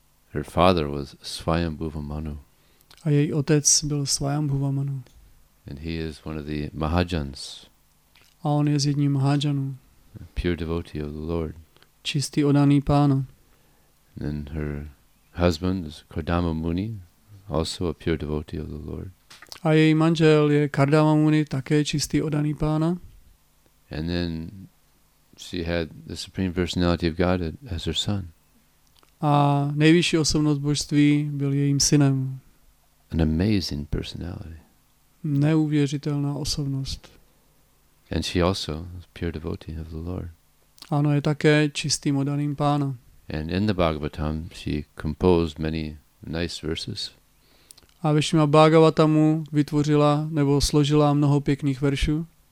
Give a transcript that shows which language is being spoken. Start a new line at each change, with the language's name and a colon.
English: Her father was Svayambhuva Manu.
Czech: A její otec byl Svayambhuva Manu.
English: And he is one of the Mahajans.
Czech: A on je z jedním Mahajanů.
English: Pure devotee of the Lord.
Czech: Čistý odaný pána.
English: And her husband is Kardama Muni, also a pure devotee of the Lord.
Czech: A její manžel je Kardama Muni, také čistý odaný pána.
English: And then she had the Supreme Personality of God as her son.
Czech: A nejvyšší osobnost božství byl jejím synem.
English: An amazing personality.
Czech: Neuvěřitelná osobnost.
English: And she also is pure devotee of the Lord.
Czech: Ano, je také čistým odaným pána.
English: And in the Bhagavatam she composed many nice verses.
Czech: A ve Šrímad Bhagavatamu vytvořila nebo složila mnoho pěkných veršů.